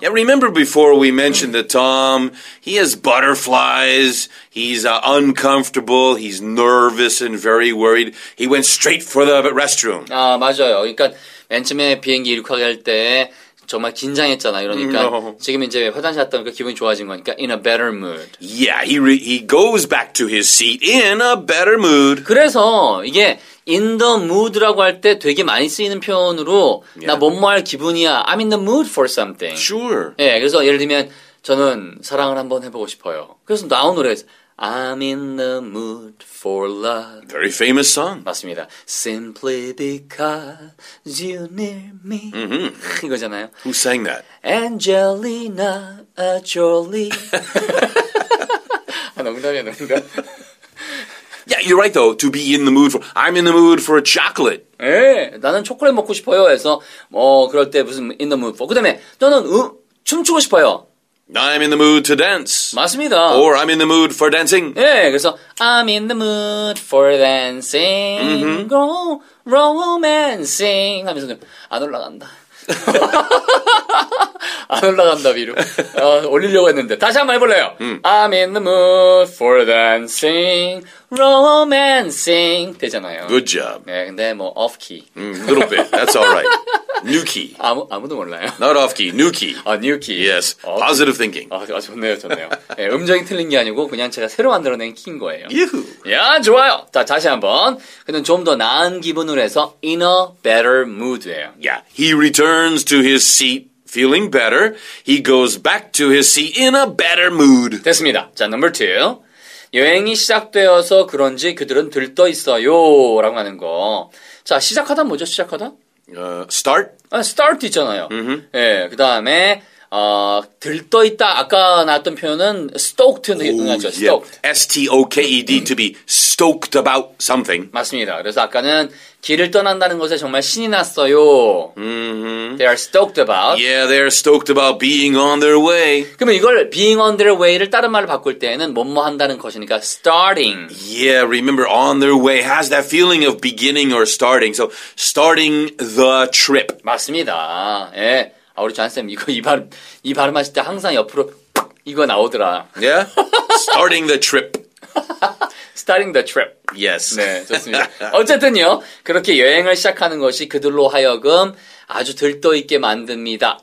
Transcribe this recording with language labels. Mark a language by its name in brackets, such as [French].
[English] Yeah, remember before we mentioned that Tom, he has butterflies, he's uncomfortable, he's nervous and very worried. He went straight for the restroom. [Korean] 아, 맞아요. 그러니까 맨 처음에 비행기 이륙할 때 정말 긴장했잖아, 이러니까. [English] No. [Korean] 지금 이제 화장실 갔다 오니까 기분이 좋아진 거니까 [English] in a better mood. Yeah, he goes back to his seat in a better mood. [Korean] 그래서 이게 in the mood라고 할 때 되게 많이 쓰이는 표현으로 yeah. 나 뭐 뭐 할 기분이야. [English] I'm in the mood for something. Sure. [Korean] 예, 그래서 예를 들면 저는 사랑을 한번 해보고 싶어요. 그래서 나온 노래에서 [English] I'm in the mood for love. Very famous song. [Korean] 맞습니다. [English] Simply because you're near me. Mm-hmm. [Korean] 이거잖아요. [English] Who sang that? [Korean] Angelina Jolie. 아, 농담이야, 농담. [English] Yeah, you're right though. To be in the mood for, I'm in the mood for a chocolate. [Korean] 예, 나는 초콜릿 먹고 싶어요. 해서 뭐 그럴 때 무슨 in the mood for. 그다음에 저는 춤추고 싶어요. [English] I'm in the mood to dance. [Korean] 맞습니다. [English] Or I'm in the mood for dancing. [Korean] 예, 그래서 [English] I'm in the mood for dancing. Mm-hmm. Go romancing. [Korean] 하면서 안 올라간다. 안 올라간다 위로 올리려고 했는데 다시 한번 해볼래요. [English] I'm in the mood for dancing, romancing [Korean] 되잖아요. [English] Good job. [Korean] 네, 근데 뭐 off key. [English] Little bit. That's all right. New key. [Korean] 아무도 몰라요. [English] Not off key. New key. [Korean] 아, new key. [English] Yes. Off. Positive thinking. [Korean] 아, 좋네요, 좋네요. 네, 음정이 틀린 게 아니고 그냥 제가 새로 만들어낸 키인 거예요. 유후. 야, 좋아요. 자, 다시 한번. 그는 좀 더 나은 기분으로 해서 [English] in a better mood [Korean] 예요. [English] Yeah. He returns to his seat feeling better. He goes back to his seat in a better mood. [Korean] 됐습니다. 자, number two. 여행이 시작되어서 그런지 그들은 들떠있어요. 라고 하는 거. 자, 시작하다 뭐죠, 시작하다? [English] Start? [Korean] 아, start 있잖아요. [English] Mm-hmm. [Korean] 예, 그 다음에, 들떠있다. 아까 나왔던 표현은 stoked는 해놓았죠. [English] Stoked. Yeah. S-T-O-K-E-D. To be stoked about something. [Korean] 맞습니다. 그래서 아까는 길을 떠난다는 것에 정말 신이 났어요. [English] Mm-hmm. They are stoked about. Yeah, they are stoked about being on their way. [Korean] 그러면 이걸 [English] being on their way [Korean] 를 다른 말로 바꿀 때에는 뭐뭐 한다는 것이니까 starting. [English] Yeah, remember on their way has that feeling of beginning or starting. So starting the trip. [Korean] 맞습니다. 예. 아, 우리 잔쌤, 이거 이 발음 하실 때 항상 옆으로 팍 이거 나오더라. [English] Yeah? Starting the trip. Starting the trip. Yes. [Korean] 네, 좋습니다. 어쨌든요, 그렇게 여행을 시작하는 것이 그들로 하여금 아주 들떠있게 만듭니다.